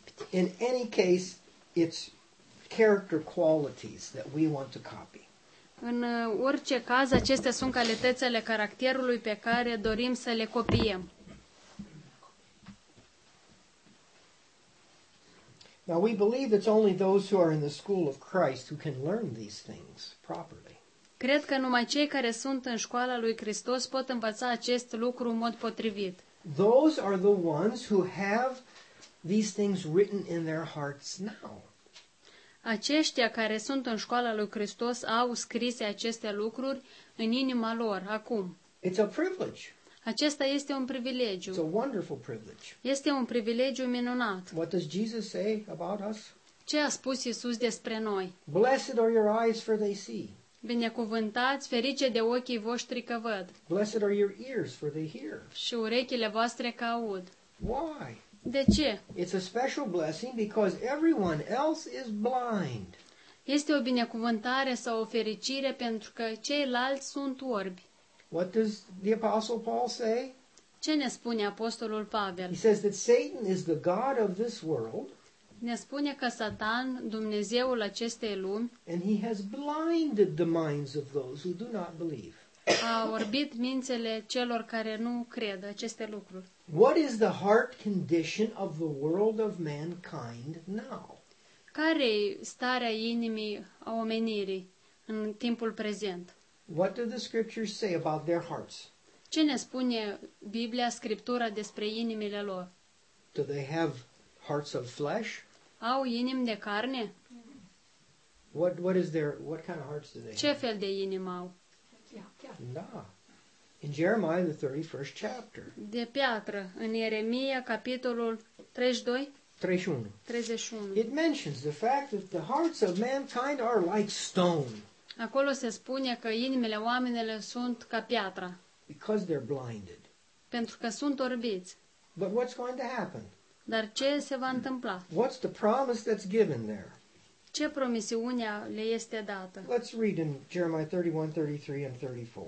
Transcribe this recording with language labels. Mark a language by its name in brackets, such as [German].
[English] In any case, it's character qualities that we want to copy. [Romanian] În orice caz, acestea sunt calitățile caracterului pe care dorim să le copiem. [English] Now we believe it's only those who are in the school of Christ who can learn these things properly. [Romanian] Cred că numai cei care sunt în școala lui Hristos pot învăța acest lucru în mod potrivit. [English] Those are the ones who have these things written in their hearts now. [Romanian] Aceștia care sunt în școala lui Hristos au scrise aceste lucruri în inima lor acum. [English] It's a privilege. [Romanian] Acesta este un privilegiu. [English] It's a wonderful privilege. [Romanian] Este un privilegiu minunat. [English] What does Jesus say about us? [Romanian] Ce a spus Iisus despre noi? [English] Blessed are your eyes, for they see. [Romanian] Binecuvântați, ferice de ochii voștri că văd. [English] Blessed are your ears, for they hear. [Romanian] Și urechile voastre că aud. [English] Why? [Romanian] De ce? [English] It's a special blessing because everyone else is blind. [Romanian] Este o binecuvântare sau o fericire pentru că ceilalți sunt orbi. [English] What does the Apostle Paul say? [Romanian] Ce ne spune Apostolul Pavel? [English] He says that Satan is the god of this world. [Romanian] Ne spune că Satan, Dumnezeul acestei lumi, [English] and he has blinded the minds of those who do not believe. [Romanian] A orbit mințile celor care nu cred aceste lucruri. [English] What is the heart condition of the world of mankind now? [Romanian] Care e starea inimii a omenirii în timpul prezent? [English] What do the scriptures say about their hearts? [Romanian] Ce ne spune Biblia, Scriptura despre inimile lor? [English] Do they have hearts of flesh? [Romanian] Au inimi de carne? [English] What is their, what kind of hearts do they [Romanian] Ce [English] have? [Romanian] Ce fel de inimă au? [English] Da. In Jeremiah the 31st chapter. [Romanian] De piatră, în Ieremia capitolul 32. [English] 31. It mentions the fact that the hearts of mankind are like stone. [Romanian] Acolo se spune că inimile oamenilor sunt ca piatra. [English] Because they're blinded. [Romanian] Pentru că sunt orbiți. [English] But what's going to happen? [Romanian] Dar ce se va întâmpla? [English] What's the promise that's given there? [Romanian] Ce promisiunea le este dată? [English] Let's read in Jeremiah 31, 33 and 34.